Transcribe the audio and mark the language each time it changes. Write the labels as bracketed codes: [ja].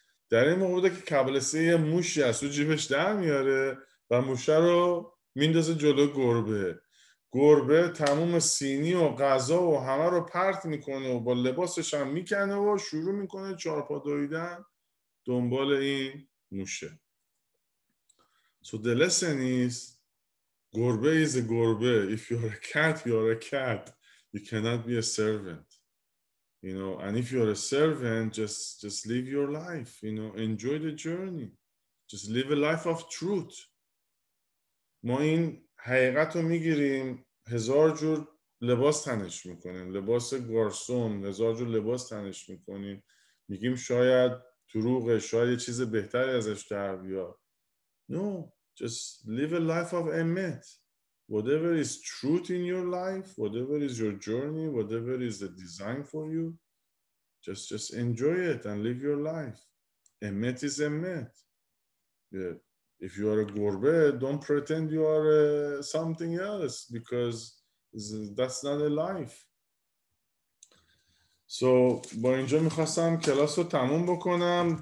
[fa] در این موقع بوده که کابالیست یه موشی از تو جیبش در میاره و موشه رو میندازه جلو گربه. گربه تموم سینی و غذا و همه رو پرت میکنه و با لباسش هم میکنه و شروع میکنه چارپا دویدن دنبال این موشه. [en] So the lesson is گربه is a گربه. If you are a cat, you are a cat. You cannot be a servant. You know, and if you are a servant, just live your life. You know, enjoy the journey. Just live a life of truth. [fa] ما این حقیقت رو میگیریم، هزار جور لباس تنش میکنیم. لباس گارسون، هزار جور لباس تنش میکنیم. میگیم شاید دروغه، شاید یه چیز بهتری ازش در بیاد. [en] No. Just live a life of emet. Whatever is truth in your life, whatever is your journey, whatever is the design for you, just enjoy it and live your life. Emet is emet. Yeah. If you are a gorbe, don't pretend you are something else, because that's not a life. [fa] So, با اینجا میخواستم کلاس رو تموم بکنم.